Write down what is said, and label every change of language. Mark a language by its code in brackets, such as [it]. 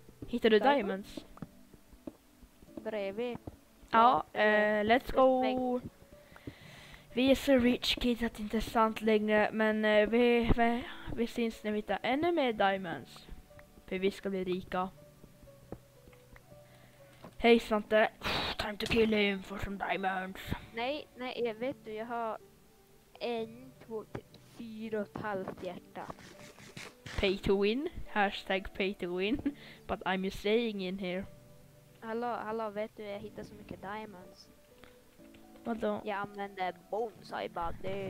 [sv] Hittar du diamonds? Bredvid. Ja, [en] let's go. [sv] Vi är så rich kids att det inte är sant längre, men vi syns när vi hittar ännu mer diamonds. För vi ska bli rika. [en] Hej Svante, time to kill him for some diamonds. [sv] Nej, jag vet du, jag har 1, 2, 3, 4,5 hjärta. [en] Pay to win, hashtag pay to win, but I'm just saying in here. [sv] Hallå, vet du, jag hittar så mycket diamonds. Vadå? Jag använder bonsai buddy.